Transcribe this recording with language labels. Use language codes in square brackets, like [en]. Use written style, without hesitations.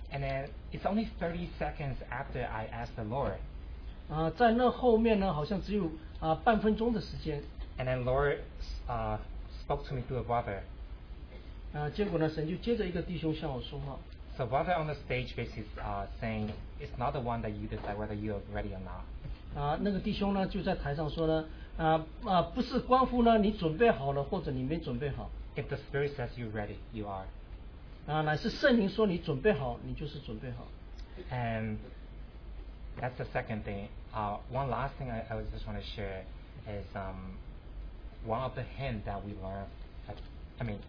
[en] And then it's only 30 seconds after I asked the Lord. [zh] 在那后面呢，好像只有半分钟的时间。 [en] And then Lord spoke to me through a brother. [zh] 结果呢，神就接着一个弟兄向我说话。 [en] So brother on the stage basically saying it's not the one that you decide whether you are ready or not. [zh] 那个弟兄呢就在台上说呢，不是关乎呢你准备好了或者你没准备好。 [en] If the Spirit says you're ready, you are. [zh] 乃是圣灵说你准备好，你就是准备好。 [en] And that's the second thing. One last thing I was just want to share is one of the hints that we learned.